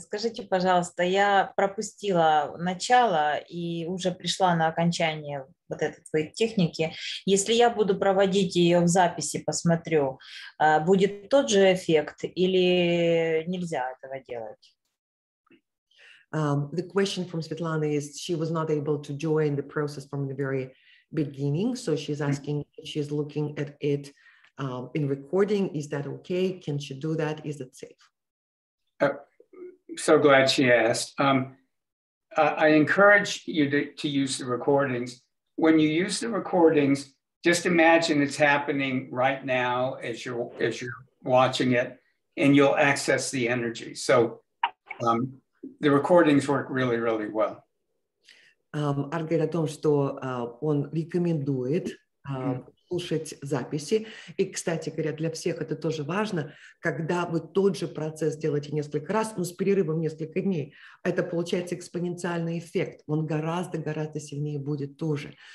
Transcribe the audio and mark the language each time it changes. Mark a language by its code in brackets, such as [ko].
[ru] Скажите, пожалуйста, я пропустила начало и уже пришла на окончание вот этой твоей техники. Если я буду проводить ее в записи, посмотрю, будет тот же эффект или нельзя этого делать? [en] The question from Svetlana is, she was not able to join the process from the very beginning, so she's asking, she's looking at it in recording, is that okay? Can she do that? Is it safe? So glad she asked. I encourage you to use the recordings. When you use the recordings, just imagine it's happening right now as you're watching it, and you'll access the energy. So the recordings work really, really well. [ru] Art говорит о том, что он рекомендует слушать записи. И, кстати говоря, для всех это тоже важно, когда вы тот же процесс делаете несколько раз, но с перерывом несколько дней. Это получается экспоненциальный эффект. Он гораздо-гораздо сильнее будет тоже.